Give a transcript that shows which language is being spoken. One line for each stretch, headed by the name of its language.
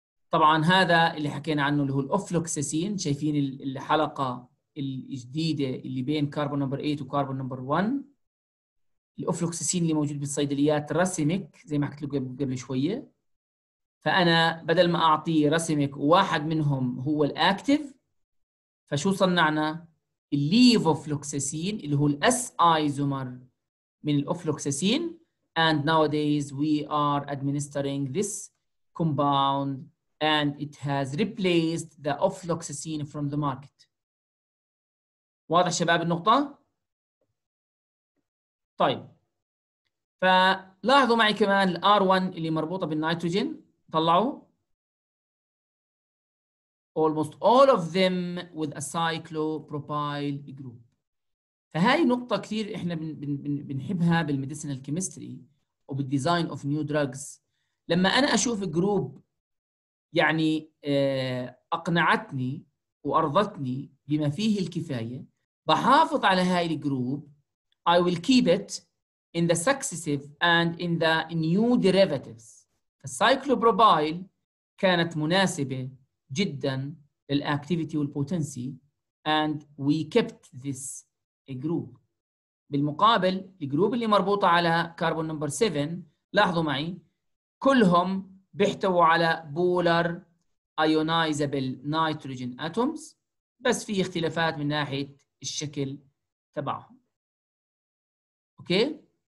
Arabic: طبعا هذا اللي حكينا عنه اللي هو الأوفلوكساسين. شايفين الحلقة الجديدة اللي بين كاربون نمبر 8 وكاربون نمبر 1, الأوفلوكسسين اللي موجود بالصيدليات رسمك زي ما حكيت لكم قبل شوية. فأنا بدل ما أعطي رسمك واحد منهم هو الأكتف, فشو صنعنا؟ الليفوفلوكسسين اللي هو الأس آيزومر من الأوفلوكسسين.
English: And nowadays we are administering this compound and it has replaced the ofloxacin from the market.
Arabic: واضح شباب النقطة؟ طيب فلاحظوا معي كمان الـ R1 اللي مربوطة بالنيتروجين, طلعوا
English: almost all of them with a cyclopropyl group.
Arabic: فهاي نقطة كثير احنا بنحبها بالميديسينال كيمستري وبالديزاين اوف نيو دراجز. لما انا اشوف جروب يعني اقنعتني وارضتني بما فيه الكفاية بحافظ على هاي الجروب.
English: I will keep it in the successive and in the new derivatives.
Arabic: فالسايكلوبروبايل كانت مناسبة جدا للأكتيفيتي والبوتنسي
English: and we kept this group.
Arabic: بالمقابل الجروب اللي مربوطة على كاربون نمبر 7 لاحظوا معي كلهم بيحتووا على بولر ايونايزابل نيتروجين اتومز, بس في اختلافات من ناحية الشكل تبعهم. اوكي.